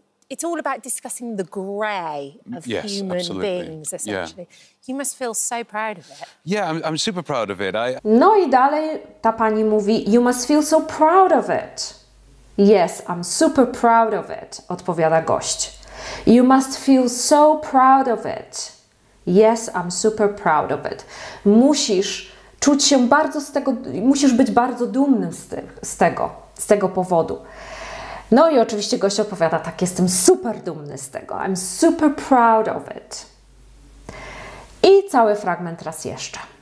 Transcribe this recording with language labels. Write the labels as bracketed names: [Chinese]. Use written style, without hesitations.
[English] It's all about discussing the grey of yes, human absolutely. Beings, essentially. Yeah. You must feel so proud of it. Yeah, I'm super proud of it. [Polish] No i dalej ta pani mówi, [English] you must feel so proud of it. Yes, I'm super proud of it, [Polish] odpowiada gość. [English] You must feel so proud of it. Yes, I'm super proud of it. [Polish] Musisz czuć się bardzo z tego, musisz być bardzo dumnym z tego powodu. No i oczywiście gość odpowiada, tak, jestem super dumny z tego. [English] I'm super proud of it. [Polish] I cały fragment raz jeszcze.